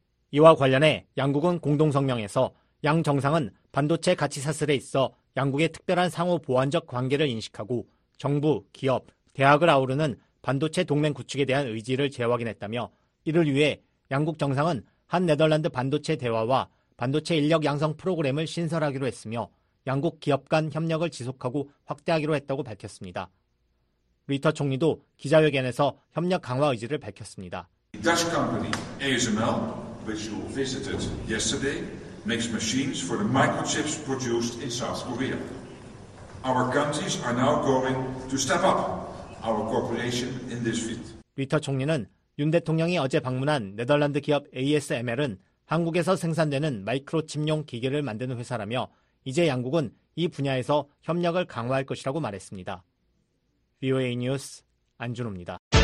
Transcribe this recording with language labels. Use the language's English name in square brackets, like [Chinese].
[Korean] 이와 관련해 양국은 공동성명에서 양 정상은 반도체 가치 사슬에 있어 양국의 특별한 상호 보완적 관계를 인식하고 정부, 기업, 대학을 아우르는 반도체 동맹 구축에 대한 의지를 재확인했다며 이를 위해 양국 정상은 한 네덜란드 반도체 대화와 반도체 인력 양성 프로그램을 신설하기로 했으며 양국 기업 간 협력을 지속하고 확대하기로 했다고 밝혔습니다. 리터 총리도 기자회견에서 협력 강화 의지를 밝혔습니다. [English] Dutch company ASML, which you visited yesterday, makes machines for the microchips produced in South Korea. Our countries are now going to step up our cooperation in this field. [Korean] 리터 총리는 윤 대통령이 어제 방문한 네덜란드 기업 ASML은 한국에서 생산되는 마이크로칩용 기계를 만드는 회사라며 이제 양국은 이 분야에서 협력을 강화할 것이라고 말했습니다. VOA 뉴스 안준호입니다.